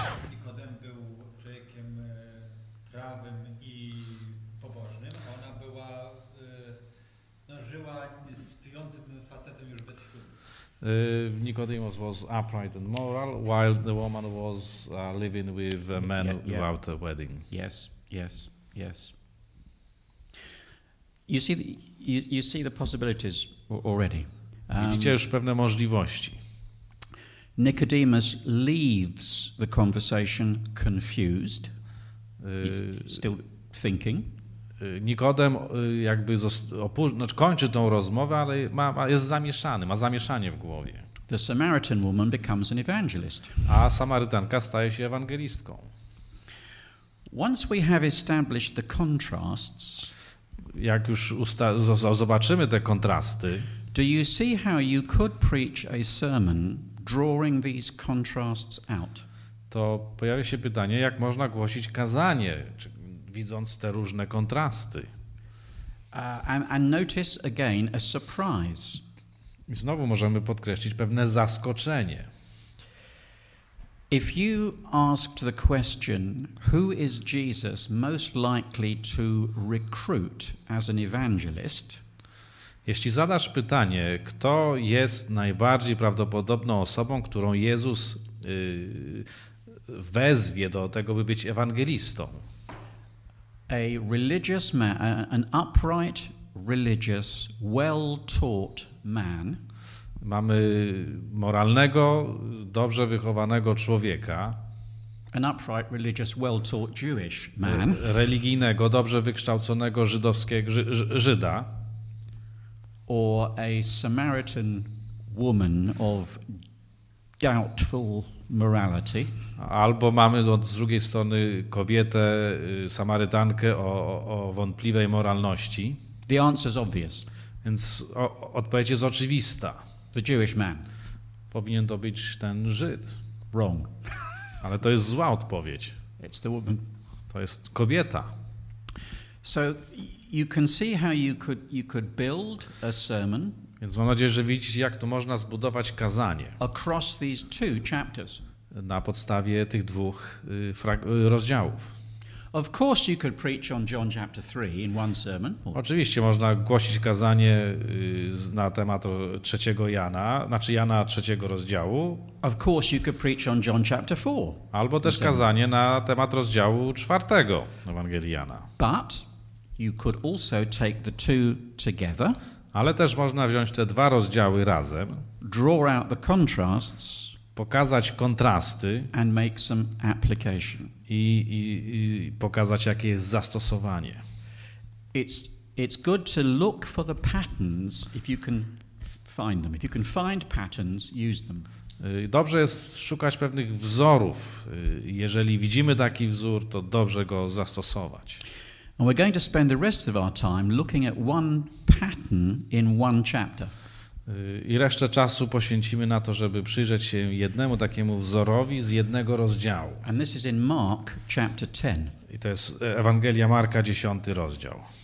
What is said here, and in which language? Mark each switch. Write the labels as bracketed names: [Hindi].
[Polish] Nicodem był człowiekiem prawym i pobożnym. Ona była żyła z piątym facetem już bez ślubu. [English] Nicodemus was upright and moral while the woman was living with a man without a wedding. Yes. Yes. Yes. You see the possibilities already. [Polish] Widzicie już pewne możliwości. [English] Nicodemus leaves the conversation confused. He's still thinking. [Polish] Nikodem jakby kończy tą rozmowę, ale ma zamieszanie w głowie. [English] The Samaritan woman becomes an evangelist. [Polish] A Samarytanka staje się ewangelistką. [English] Once we have established the contrasts, [Polish] jak już zobaczymy te kontrasty, [English] do you see how you could preach a sermon drawing these contrasts out? [Polish] To pojawia się pytanie, jak można głosić kazanie, widząc te różne kontrasty. [English] And notice again a surprise. [Polish] I znowu możemy podkreślić pewne zaskoczenie. [English] If you asked the question, who is Jesus most likely to recruit as an evangelist? [Polish] Jeśli zadasz pytanie, kto jest najbardziej prawdopodobną osobą, którą Jezus wezwie do tego, by być ewangelistą? [English] A religious man, an upright, religious, well-taught man. [Polish] Mamy moralnego, dobrze wychowanego człowieka. [English] An upright, religious, well-taught Jewish man. [Polish] Religijnego, dobrze wykształconego żydowskiego Żyda. [English] Or a Samaritan woman of doubtful morality. [Polish] Albo mamy z drugiej strony kobietę, Samarytankę o wątpliwej moralności. [English] The answer is obvious. [Polish] Więc odpowiedź jest oczywista. [English] The Jewish man. [Polish] Powinien to być ten Żyd. [English] Wrong. [Polish] Ale to jest zła odpowiedź. [English] It's the woman. [Polish] To jest kobieta. [English] So you can see how you could build a sermon. [Polish] Więc mam nadzieję, że widzicie, jak to można zbudować kazanie. [English] Across these two chapters. [Polish] Na podstawie tych dwóch rozdziałów. [English] Of course you could preach on John chapter 3 in one sermon. [Polish] Oczywiście można głosić kazanie na temat trzeciego Jana, znaczy Jana trzeciego rozdziału. [English] Of course you could preach on John chapter 4. [Polish] Albo też kazanie na temat rozdziału czwartego Ewangelii Jana. [English] But you could also take the two together. [Polish] Ale też można wziąć te dwa rozdziały razem. [English] Draw out the contrasts. [Polish] Pokazać kontrasty [English] and make some application. [Polish] I pokazać, jakie jest zastosowanie. [English] It's good to look for the patterns if you can find them. If you can find patterns, use them. [Polish] Dobrze jest szukać pewnych wzorów. Jeżeli widzimy taki wzór, to dobrze go zastosować. [English] And we're going to spend the rest of our time looking at one pattern in one chapter. [Polish] I resztę czasu poświęcimy na to, żeby przyjrzeć się jednemu takiemu wzorowi z jednego rozdziału. [English] And this is in Mark chapter 10. [Polish] I to jest Ewangelia Marka, 10 rozdział.